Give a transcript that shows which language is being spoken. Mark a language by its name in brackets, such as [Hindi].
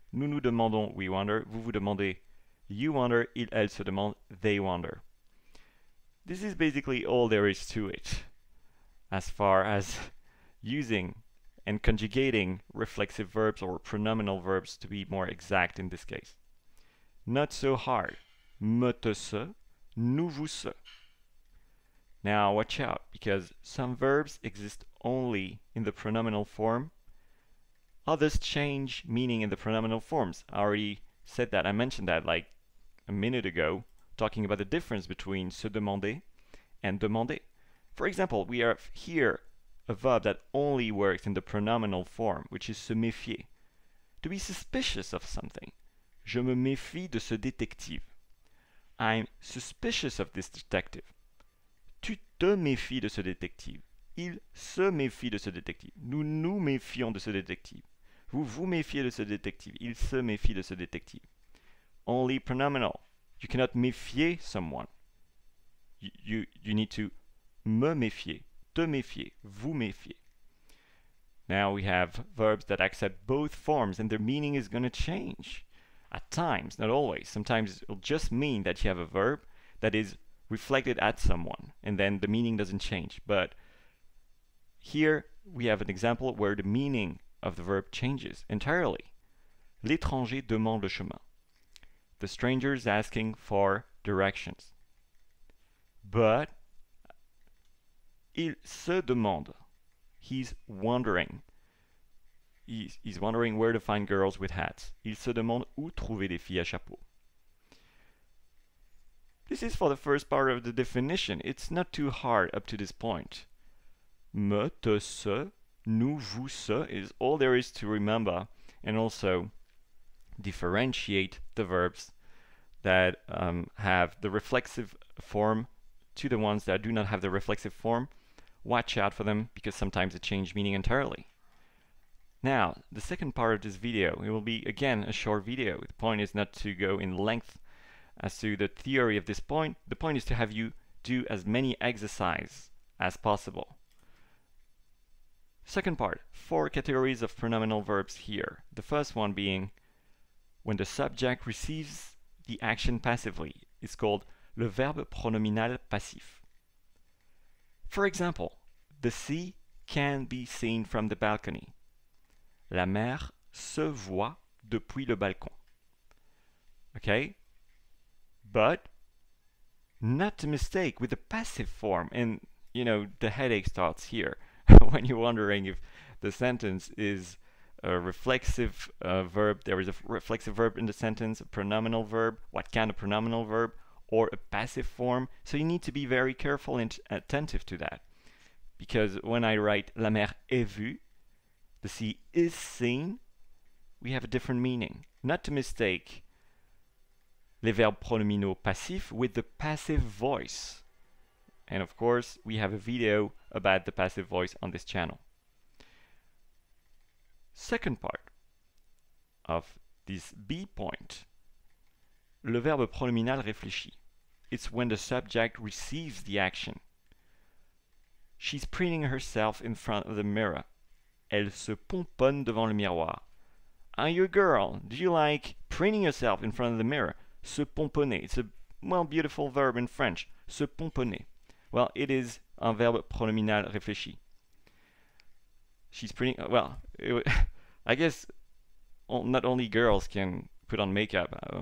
[French] Nous nous demandons, [English] we wonder. [French] Vous vous demandez, [English] you wonder. [French] Il, elle, se demande, [English] they wonder. This is basically all there is to it, as far as using and conjugating reflexive verbs, or pronominal verbs to be more exact in this case. Not so hard. Me, te, se, nous, vous, se. Now watch out, because some verbs exist only in the pronominal form. Others change meaning in the pronominal forms. I already said that, I mentioned that like a minute ago, talking about the difference between se demander and demander. For example, we have here a verb that only works in the pronominal form, which is se méfier. To be suspicious of something. [French] Je me méfie de ce détective. [English] I'm suspicious of this detective. [French] Tu te méfies de ce détective. Il se méfie de ce détective. Nous nous méfions de ce détective. Vous vous méfiez de ce détective. Il se méfie de ce détective. [English] Only pronominal. You cannot méfier someone. You need to me méfier, te méfier, vous méfier. Now we have verbs that accept both forms, and their meaning is going to change. At times, not always. Sometimes it'll just mean that you have a verb that is reflected at someone, and then the meaning doesn't change. But here we have an example where the meaning of the verb changes entirely. [French] L'étranger demande le chemin. [English] The stranger is asking for directions. But [French] il se demande. [English] He's wondering. He's wondering where to find girls with hats. [French] Il se demande où trouver des filles à chapeau. [English] This is for the first part of the definition. It's not too hard up to this point. Me, te, se, nous, vous, se is all there is to remember, and also differentiate the verbs that have the reflexive form to the ones that do not have the reflexive form. Watch out for them, because sometimes they change meaning entirely. Now, the second part of this video, it will be again a short video. The point is not to go in length as to the theory of this point. The point is to have you do as many exercises as possible. Second part, four categories of pronominal verbs here. The first one being when the subject receives the action passively. It's called le verbe pronominal passif. For example, the sea can be seen from the balcony. [French] La mer se voit depuis le balcon. [English] Okay? But not to mistake with the passive form, and you know, the headache starts here when you're wondering if the sentence is a reflexive verb. There is a reflexive verb in the sentence, a pronominal verb, what kind of pronominal verb, or a passive form. So you need to be very careful and attentive to that. Because when I write [French] la mer est vue, [English] the sea is seen, we have a different meaning. Not to mistake les verbes pronominaux passifs with the passive voice. And of course, we have a video about the passive voice on this channel. Second part of this B point. [French] Le verbe pronominal réfléchit. [English] It's when the subject receives the action. She's preening herself in front of the mirror. [French] Elle se pomponne devant le miroir. [English] Are you a girl? Do you like preening yourself in front of the mirror? Se pomponner. It's a well beautiful verb in French. Se pomponner. Well, it is un verbe pronominal réfléchi. She's preening. Well, I guess not only girls can put on makeup.